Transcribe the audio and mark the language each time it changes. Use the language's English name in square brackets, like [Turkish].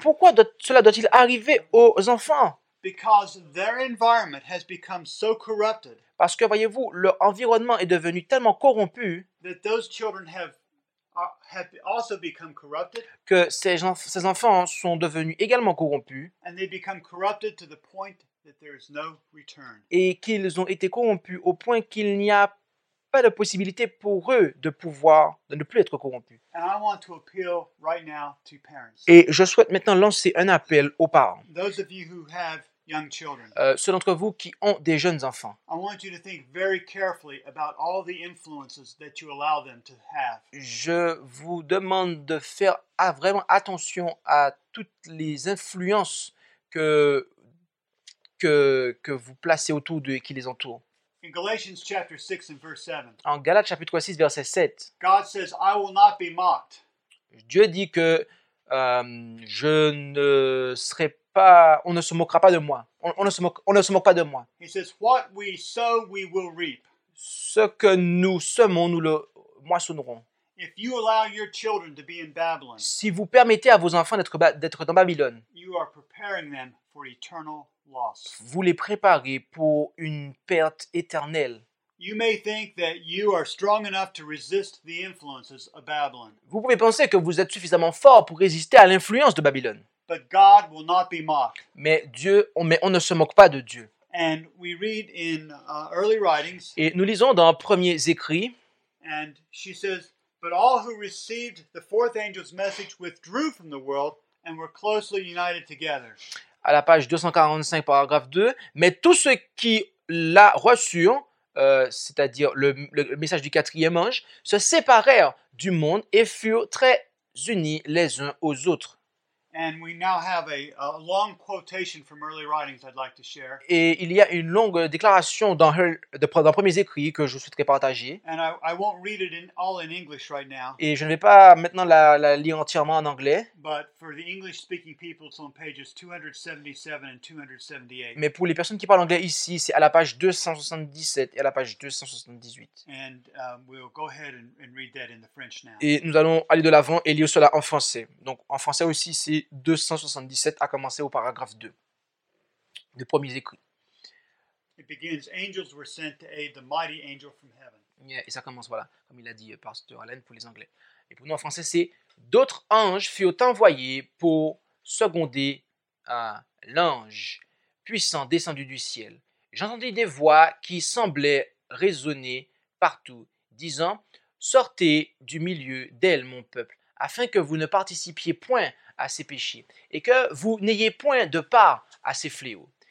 [French] Pourquoi cela doit-il arriver aux enfants? [English] Because their environment has become so corrupted. [French] Parce que voyez-vous, leur environnement est devenu tellement corrompu [English] that those children have also become corrupted. [French] Que ces enfants sont devenus également corrompus. [English] And they become corrupted to the point that there is no return. [French] Et qu'ils ont été corrompus au point qu'il n'y a pas de possibilité pour eux de ne plus être corrompus. [English] And I want to appeal right now to parents. [French] Et je souhaite maintenant lancer un appel aux parents. [English] Those of you who have young children, [French] ceux d'entre vous qui ont des jeunes enfants. [English] I want you to think very carefully about all the influences that you allow them to have. [French] Je vous demande de faire vraiment attention à toutes les influences que vous placez autour d'eux et qui les entourent. [English] In Galatians chapter 6 and verse 7. [French] En Galates chapitre 6 verset 7. [English] God says, I will not be mocked. [French] Dieu dit que je ne serai pas, on ne se moquera pas de moi. On ne se moque pas de moi. [English] He says, what we sow, we will reap. [French] Ce que nous semons, nous le moissonnerons. [English] If you allow your children to be in Babylon. [French] Si vous permettez à vos enfants d'être dans Babylone. [English] You are preparing them for eternal loss. [French] Vous les préparez pour une perte éternelle. [English] You may think that you are strong enough to resist the influences of Babylon. [French] Vous pouvez penser que vous êtes suffisamment fort pour résister à l'influence de Babylone. [English] But God will not be mocked. [French] Mais on ne se moque pas de Dieu. [English] And we read in early writings. [French] Et nous lisons dans premiers écrits. [English] And she says, but all who received the fourth angel's message withdrew from the world and were closely united together. [French] À la page 245, paragraphe 2, mais tous ceux qui l'a reçu, c'est-à-dire le message du quatrième ange, se séparèrent du monde et furent très unis les uns aux autres. [English] And we now have a long quotation from early writings I'd like to share. [French] Et il y a une longue déclaration dans premiers écrits que je souhaiterais partager. [English] And I won't read it all in English right now. [French] Et je ne vais pas maintenant la lire entièrement en anglais. [English] But for the English speaking people, it's on pages 277 and 278. [French] Mais pour les personnes qui parlent anglais ici, c'est à la page 277 et à la page 278. [English] And we'll go ahead and read that in the French now. [French] Et nous allons aller de l'avant et lire cela en français. Donc en français aussi, c'est 277 a commencé au paragraphe 2 du premier écrit. [English] It begins, angels were sent to aid the mighty angel from heaven. [French] Yeah, et ça commence, voilà, comme il a dit Pasteur Allen pour les Anglais. Et pour nous en français, c'est d'autres anges furent envoyés pour seconder l'ange puissant descendu du ciel. J'entendis des voix qui semblaient résonner partout, disant, sortez du milieu d'elle, mon peuple, afin que vous ne participiez point à ses péchés, et que vous n'ayez point de part à ses fléaux.